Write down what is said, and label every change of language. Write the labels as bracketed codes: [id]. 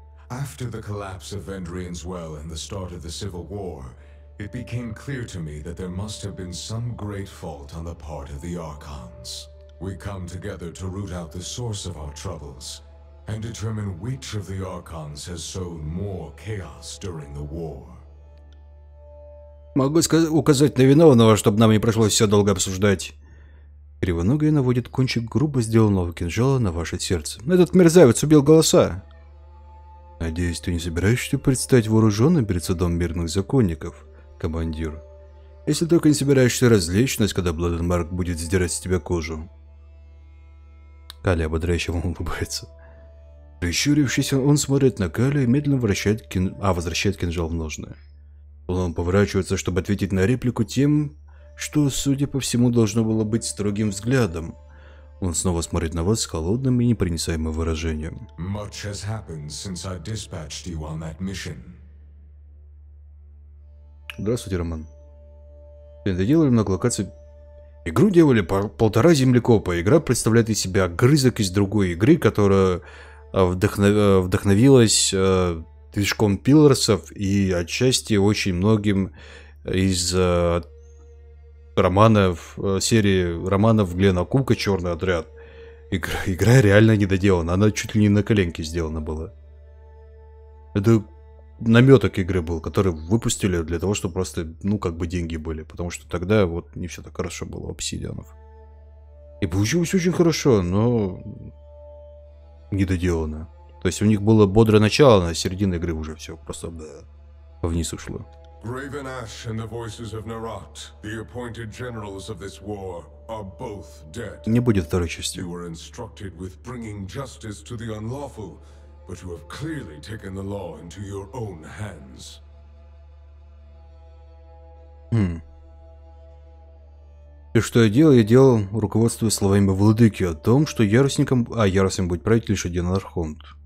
[en] After the collapse of Vendrian's Well and the start of the Civil War, it became clear to me that there must have been some great fault on the part of the Archons. We come together to root out the source of our troubles, and determine which of the Archons has sown more chaos during the war. [ru] Могу указать на виновного, чтобы нам не пришлось все долго обсуждать. Кривоногая наводит кончик грубо сделанного кинжала на ваше сердце. Этот мерзавец убил голоса. Надеюсь, ты не собираешься предстать вооруженным перед судом мирных законников, командир. Если только не собираешься развлечь нас, когда Бладенмарк будет сдирать с тебя кожу. Калли ободряюще вам улыбается. Прищурившись, он смотрит на Калли и медленно возвращает кинжал в ножны. Он поворачивается, чтобы ответить на реплику тем, что, судя по всему, должно было быть строгим взглядом. Он снова смотрит на вас с холодным и непроницаемым выражением. [en] Much has happened since I dispatched you on that mission. [ru] Здравствуйте, Роман. Ты доделали много локаций? Игру делали полтора землекопа. Игра представляет из себя огрызок из другой игры, которая вдохновилась движком Пиларсов и отчасти очень многим из романов, серии романов Глена Кука «Черный отряд». Игра реально недоделана, она чуть ли не на коленке сделана была. Это наметок игры был, который выпустили для того, чтобы просто, ну, как бы деньги были, потому что тогда вот не все так хорошо было у Обсидианов. И получилось очень хорошо, но недоделано. То есть у них было бодрое начало, на середине игры уже все просто вниз ушло. [en] Raven Ash and the voices of Narat, the appointed generals of this war, are both dead. [ru] Не будет второй части. [en] You were instructed with bringing justice to the unlawful, but you have clearly taken the law into your own hands. [ru] И что я делал, руководствуясь словами владыки о том, что яростным будет править лишь один Архонт.